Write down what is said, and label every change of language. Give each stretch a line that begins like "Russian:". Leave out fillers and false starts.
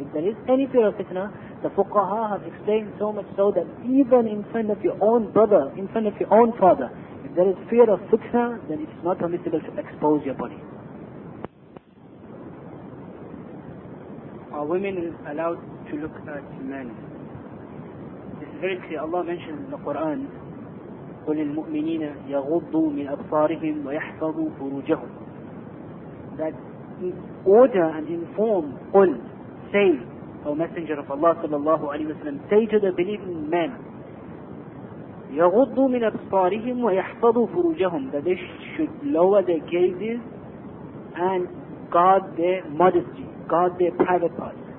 English: If there is any fear of fitna, the fuqaha have explained so much so that even in front of your own brother, in front of your own father, if there is fear of fitna, then it's not permissible to expose your body. Are women allowed to look at men? This is very clear. Allah mentioned in the Quran,
Arabic: قُلْ الْمُؤْمِنِينَ يَغُضُّوا مِنْ أَبْصَارِهِمْ وَيَحْفَظُوا فُرُوجَهُمْ.
English: That order and inform, قُلْ, say, O Messenger of Allah sallallahu alayhi wa sallam, say to the believing men,
Arabic: يَغُضُّوا مِنْ أَبْصَارِهِمْ وَيَحْفَظُوا فُرُوجَهُمْ,
English: that they should lower their gazes and guard their modesty, guard their private parts.